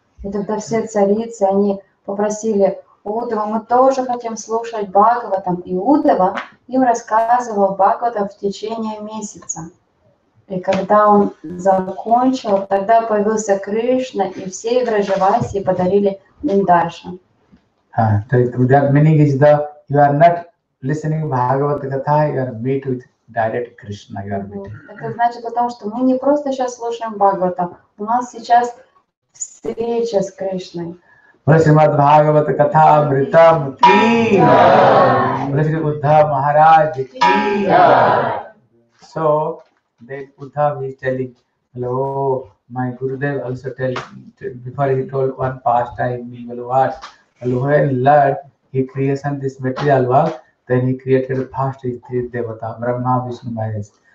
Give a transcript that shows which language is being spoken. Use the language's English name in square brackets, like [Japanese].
[Russian] И тогда все царицы, они попросили Удава, мы тоже хотим слушать Бхагаватам. И Удава им рассказывал Бхагаватам в течение месяца. И когда он закончил, тогда появился Кришна, и все Вриндаваси подарили им даршан. [English] That meaning is that you are not listening to Bhagavata Katha, you are meet with direct Krishna. You are meeting. [Russian] Это значит о том, что мы не просто сейчас слушаем Бхагаватам, у нас сейчас встреча с Кришной. Врасимад Бхагавата Катха Амритам Кия! Врасимад Уддхав Махарадж Кия! [English] So, then Уддхав is telling, hello, my Gurudev also tells, before he told one past time, me, well, what? Well, when Lord, he creation this material world, then he created past his three Devata, Brahma, Vishnu, Mahesh.